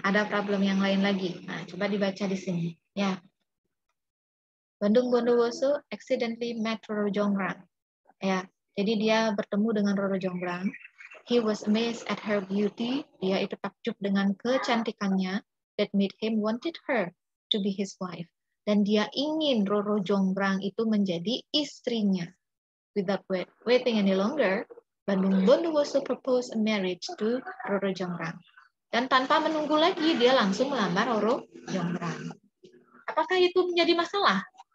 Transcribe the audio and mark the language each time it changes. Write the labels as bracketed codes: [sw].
[id] Ada problem yang lain lagi. Nah, coba dibaca di sini. Ya. [en] Bandung Bondowoso accidentally met Roro Jonggrang. Ya. [id] Jadi dia bertemu dengan Roro Jonggrang. [en] He was amazed at her beauty. [id] Dia itu takjub dengan kecantikannya. [en] That made him wanted her to be his wife. [id] Dan dia ingin Roro Jonggrang itu menjadi istrinya. [en] Without waiting any longer, Bandung Bondowoso proposed a marriage to Roro Jonggrang. [id] Dan tanpa menunggu lagi, dia langsung melamar Roro Jonggrang. Apakah itu menjadi masalah?